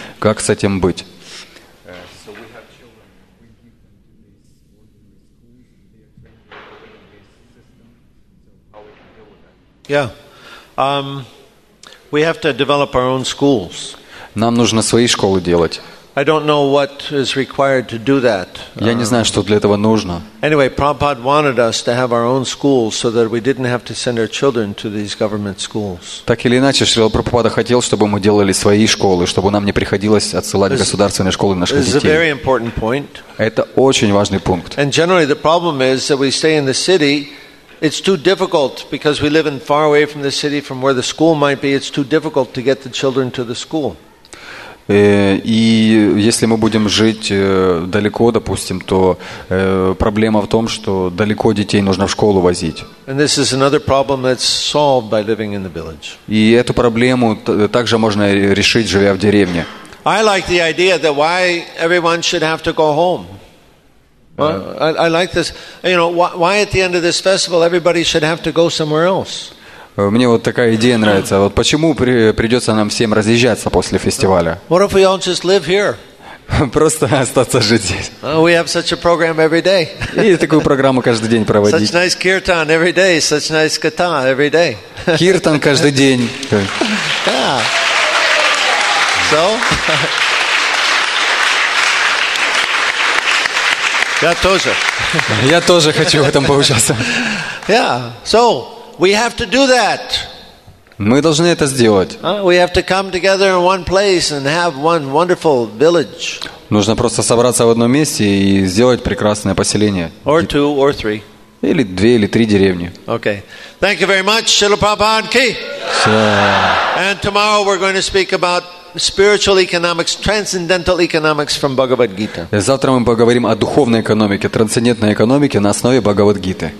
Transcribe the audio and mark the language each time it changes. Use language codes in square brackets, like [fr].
[ru] Как с этим быть? [en] We have to develop our own schools. [ru] Нам нужно свои школы делать. [en] I don't know what is required to do that. [ru] Я не знаю, что для этого нужно. [en] Anyway, Prabhupada wanted us to have our own schools so that we didn't have to send our children to these government schools. [ru] Так или иначе, Шрила Прабхупада хотел, чтобы мы делали свои школы, чтобы нам не приходилось отсылать в государственные школы наших детей. [en] This is a very important point. [ru] Это очень важный пункт. [en] And generally, the problem is that we stay in the city, It's too difficult because we live in far away from the city, from where the school might be. It's too difficult to get the children to the school. [ru] И если мы будем жить далеко, допустим, то проблема в том, что далеко детей нужно в школу возить. [en] And this is another problem that's solved by living in the village. [ru] И эту проблему также можно решить, живя в деревне. [en] I like the idea that why everyone should have to go home. I like this. You know, why at the end of this festival everybody should have to go somewhere else? [ru] Мне вот такая идея нравится. Вот почему придется нам всем разъезжаться после фестиваля? [en] What if we all just live here? [ru] Просто остаться жить здесь. [en] We have such a program every day. [ru] И такую программу каждый день проводить. [en] Such nice kirtan every day, such nice kata every day. [ru] Kirtan каждый день. [en] Yeah. So. [ru] Я тоже. Я тоже хочу в этом поучаться. [en] Yeah. So. We have to do that. [ru] Мы должны это сделать. [en] We have to come together in one place and have one wonderful village. [ru] Нужно просто собраться в одном месте и сделать прекрасное поселение. [en] Or two or three. [ru] Или две или три деревни. [en] Okay. Thank you very much, Srila Prabhupada and Ki. And tomorrow we're going to speak about spiritual economics, transcendental economics from Bhagavad Gita. [ru] Завтра мы поговорим о духовной экономике, трансцендентной экономике на основе Бхагавад-гиты.